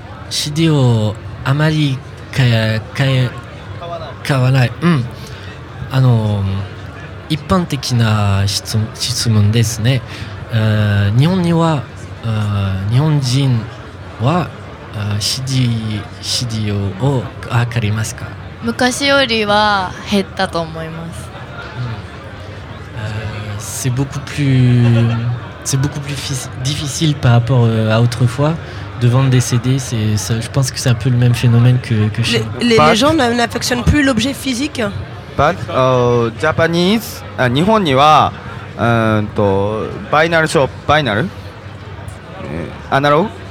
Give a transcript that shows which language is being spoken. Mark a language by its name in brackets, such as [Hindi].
[Japanese] CD をあまり買わない、うん、あの一般的な質問ですね。日本には日本人は CD を分かりますか？昔よりは減ったと思います。 [French] c'est beaucoup plus c'est beaucoup plus difficile par rapport à autrefois de vendre des CD, je pense que c'est un peu le même phénomène que chez les gens n'affectionnent plus l'objet physique. [English] But Japanese, [Japanese] 日本にはバイナルショップ、バイナル、アナログ、